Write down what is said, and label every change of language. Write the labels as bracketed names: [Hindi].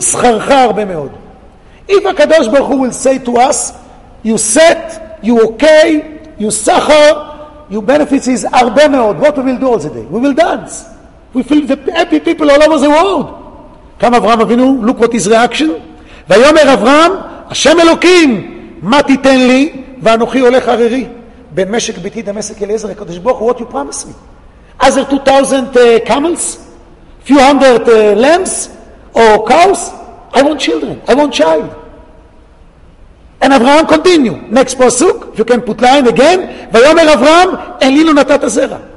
[Hebrew] שכרך הרבה מאוד. [English] If הקדוש ברוך הוא will say to us, you set, you okay, you suffer, your benefits is הרבה מאוד. What we will do all the day? We will dance. We feel the happy people all over the world. Come אברהם אבינו, look what his reaction. [Hebrew] ויאמר אברהם, השם אלוקים, מה תיתן לי? ואנוכי הולך הררי. בין משק ביתי דמשק אליעזר, הקדוש ברוך הוא, [English] what you promise me? Other 2,000 camels? Few hundred lambs? Or cows? I want children. I want child. And Abraham continue. Next pasuk, if you can put line again. [Hebrew] ויאמר אברהם, אין לי לא נתת זרע.